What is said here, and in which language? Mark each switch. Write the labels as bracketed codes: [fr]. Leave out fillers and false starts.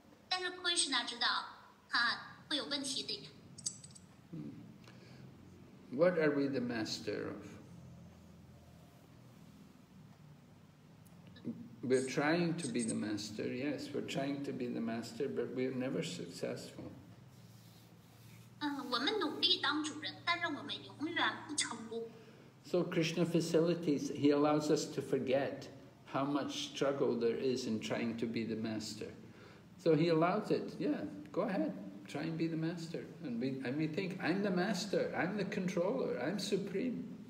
[zh] 但是 Krishna 知道他会有问题的。 [en] What are we the master of? We're trying to be the master, yes, we're trying to be the master, but we're never successful. [zh] 我们努力当主人，但是我们永远不成功。 [en] So Krishna facilitates, he allows us to forget how much struggle there is in trying to be the master. So he allows it, yeah, go ahead. Try and be the master. And I may think, I'm the master, I'm the controller, I'm supreme.